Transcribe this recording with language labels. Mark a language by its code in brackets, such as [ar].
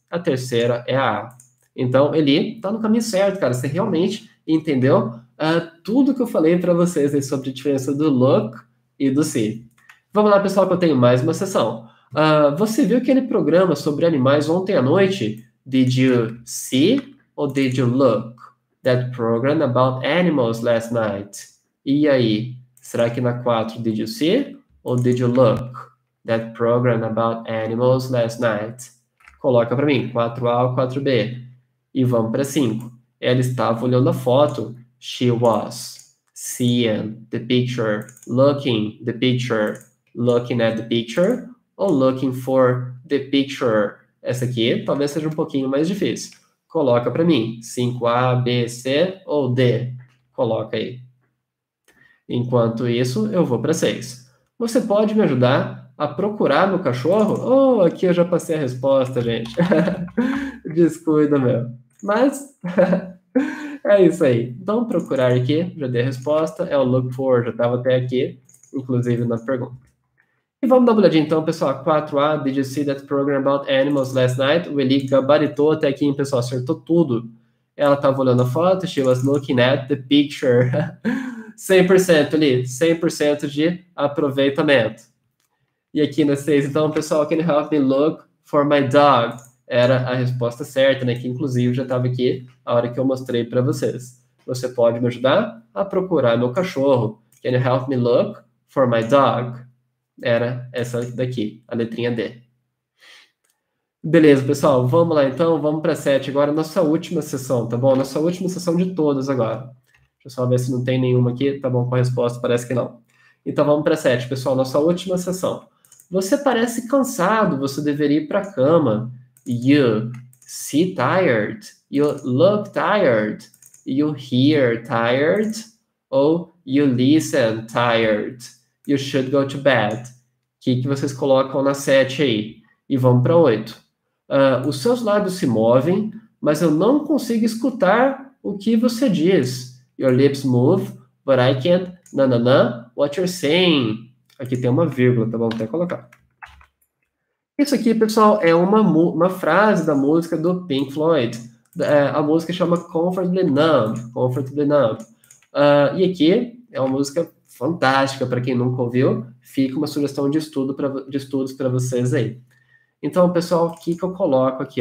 [pt] A terceira é a A. Então, Eli, tá no caminho certo, cara. Você realmente entendeu tudo que eu falei para vocês aí sobre a diferença do look e do see. Vamos lá, pessoal, que eu tenho mais uma sessão. Você viu aquele programa sobre animais ontem à noite? [en] Did you see or did you look that program about animals last night? [pt] E aí, será que na 4, [en] did you see or did you look that program about animals last night? [pt] Coloca para mim, 4A ou 4B. E vamos para 5. Ela estava olhando a foto. [en] She was seeing the picture, looking the picture, looking at the picture, or looking for the picture. [pt] Essa aqui talvez seja um pouquinho mais difícil. Coloca para mim, 5A, B, C ou D. Coloca aí. Enquanto isso, eu vou para 6. Você pode me ajudar A procurar no cachorro? Oh, aqui eu já passei a resposta, gente. Descuida, meu. Mas é isso aí. Então, procurar aqui, já dei a resposta. É o look for, já estava até aqui, inclusive na pergunta. E vamos dar uma olhadinha então, pessoal. [en] 4A, did you see that program about animals last night? [pt] Willie gabaritou até aqui, hein, pessoal, acertou tudo. Ela estava olhando a foto, [en] she was looking at the picture. [pt] 100%, Willie, 100% de aproveitamento. E aqui na 6, então, pessoal, [en] can you help me look for my dog? [pt] Era a resposta certa, né? Que inclusive já estava aqui a hora que eu mostrei para vocês. Você pode me ajudar a procurar meu cachorro. [en] Can you help me look for my dog? [pt] Era essa daqui, a letrinha D. Beleza, pessoal, vamos lá então, vamos para 7 agora, nossa última sessão, tá bom? Nossa última sessão de todas agora. Deixa eu só ver se não tem nenhuma aqui, tá bom com a resposta, parece que não. Então vamos para 7, pessoal, nossa última sessão. Você parece cansado, você deveria ir para a cama. [en] You see tired, you look tired, you hear tired, ou you listen tired, you should go to bed. [pt] O que vocês colocam na 7 aí? E vamos para 8. Os seus lábios se movem, mas eu não consigo escutar o que você diz. [en] Your lips move, but I can't na-na-na what you're saying. [pt] Aqui tem uma vírgula, tá bom? Vou até colocar. Isso aqui, pessoal, é uma frase da música do Pink Floyd. A música chama Comfortably Numb, Comfortably Numb. E aqui é uma música fantástica para quem nunca ouviu. Fica uma sugestão de estudos para vocês aí. Então, pessoal, o que que eu coloco aqui?